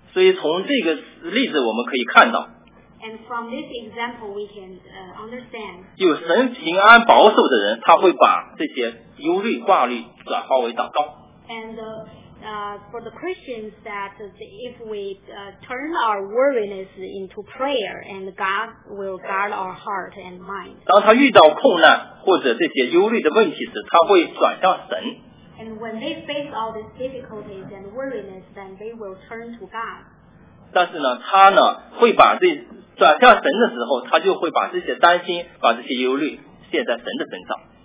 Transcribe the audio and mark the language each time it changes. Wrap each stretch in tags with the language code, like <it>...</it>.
<zh>所以从这个例子我们可以看到。</zh> <en>And from this example we can understand.</en> <zh>有神平安保守的人，他会把这些忧虑挂虑转化为祷告。</zh> <en>And for the Christians that if we turn our worriness into prayer and God will guard our heart and mind.</en> <zh>当他遇到困难或者这些忧虑的问题时，他会转向神。</zh> <en>And when they face all these difficulties and worriness, then they will turn to God.</en> <zh>但是呢，他呢会把这转向神的时候，他就会把这些担心、把这些忧虑卸在神的身上。</zh>